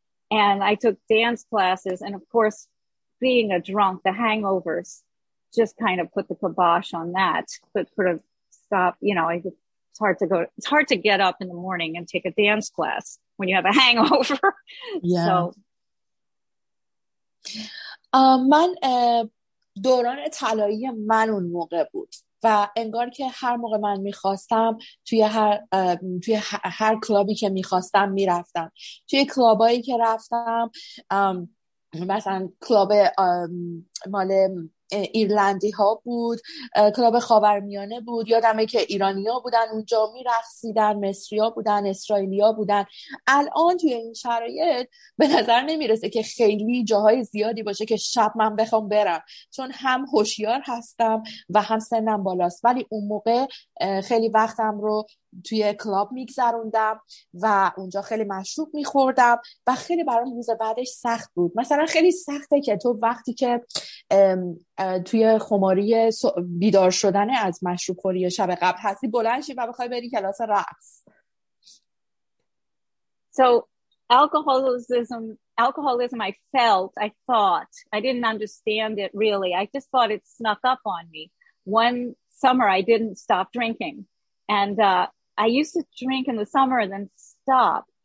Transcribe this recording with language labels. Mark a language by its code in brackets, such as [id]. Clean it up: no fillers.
[en] And I took dance classes, and of course, being a drunk, the hangovers just kind of put the kibosh on that, but sort of stop, you know, it's hard to get up in the morning and take a dance class when you have a hangover. Yeah. So. [fa] من دوران طلایی من اون موقع بود و انگار که هر موقع من میخواستم توی هر کلابی که میخواستم میرفتم، توی کلابایی که رفتم مثلا کلاب مال ایرلندی ها بود، کلاب خاورمیانه بود، یادمه که ایرانی ها بودن اونجا میرقصیدن، مصری ها بودن، اسرائیلی ها بودن. الان توی این شرایط به نظر نمیرسه که خیلی جاهای زیادی باشه که شب من بخوام برم، چون هم هوشیار هستم و هم سنم بالاست، ولی اون موقع خیلی وقتم رو توی کلاب میگذروندم و اونجا خیلی مشروب میخوردم و خیلی برام روز بعدش سخت بود. مثلا خیلی سخته که تو وقتی که توی خماری بیدار شدن از مشروب خوری شب قبل هستی، بلند شی و بخوای بری کلاس رقص. [en] So alcoholism, I felt, I thought, I didn't understand it really. I just thought it snuck up on me. One summer I didn't stop drinking. And I used to drink in the summer and then stop.